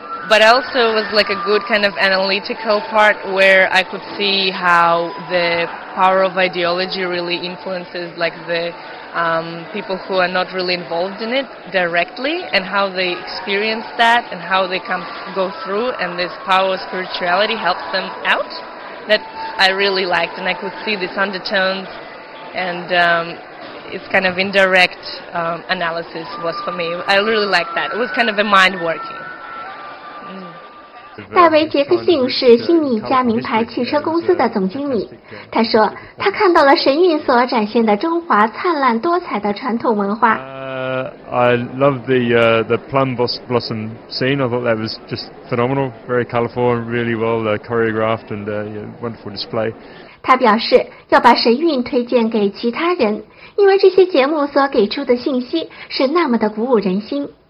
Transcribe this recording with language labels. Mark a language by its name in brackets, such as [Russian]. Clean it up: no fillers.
[English] But also was like a good kind of analytical part where I could see how the power of ideology really influences like the people who are not really involved in it directly and how they experience that and how they come go through and this power of spirituality helps them out. That I really liked and I could see these undertones and it's kind of indirect analysis was for me. I really liked that. It was kind of a mind working. [Chinese] 戴维·杰克逊是悉尼一家名牌汽车公司的总经理。他说，他看到了神韵所展现的中华灿烂多彩的传统文化。 [English] I love the plum blossom scene. I thought that was just phenomenal, very colorful, and really well choreographed and wonderful display. [Chinese] 他表示要把神韵推荐给其他人，因为这些节目所给出的信息是那么的鼓舞人心。